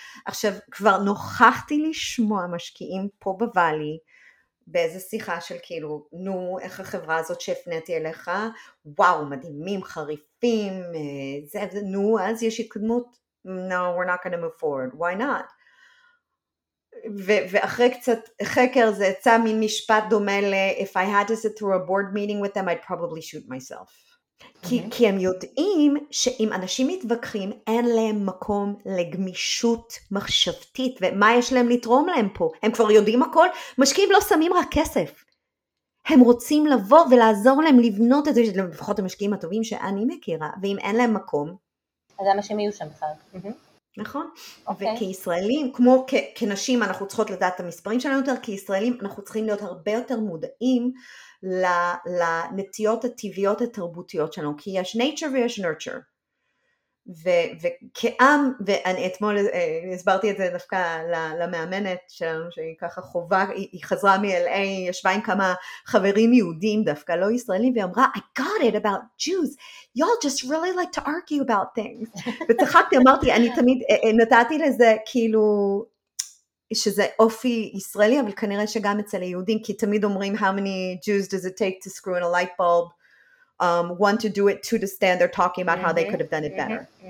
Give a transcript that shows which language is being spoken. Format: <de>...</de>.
<he>עכשיו כבר נוכחתי לשמוע משקיעים פה בוואלי באיזה שיחה של כאילו, נו, איך החברה הזאת שהפניתי אליך, וואו, מדהימים, חריפים, זה, נו, אז יש התקדמות,</he> <en>no, we're not gonna move forward, why not?</en> <he>ואחרי קצת חקר זה יצא מין משפט דומה ל-</he> <en>if I had to sit through a board meeting with them, I'd probably shoot myself.</en> <he>כי הם יודעים שאם אנשים מתווכחים, אין להם מקום לגמישות מחשבתית, ומה יש להם לתרום להם פה? הם כבר יודעים הכל? משקיעים לא שמים רק כסף. הם רוצים לבוא ולעזור להם לבנות את זה, לפחות המשקיעים הטובים שאני מכירה, ואם אין להם מקום... אז למה שהם יהיו שם בכלל? נכון, וכישראלים, כמו כנשים אנחנו צריכות לדעת את המספרים שלנו יותר, כישראלים אנחנו צריכים להיות הרבה יותר מודעים לנטיות הטבעיות התרבותיות שלנו, כי יש nature ויש nurture, וכעם, ואני אתמול הסברתי את זה דווקא למאמנת שלנו, שהיא ככה חובה, היא חזרה מ-LA, ישבה עם כמה חברים יהודים, דווקא לא ישראלים, והיא אמרה,</he> <en>I got it about Jews, y'all just really like to argue about things.</en> <he>וצחקתי, אמרתי, אני תמיד נתתי לזה כאילו, שזה אופי ישראלי, אבל כנראה שגם אצל היהודים, כי תמיד אומרים,</he> <en>how many Jews does it take to screw in a light bulb? One to do it, two to stand there talking about how they could have done it better.</en>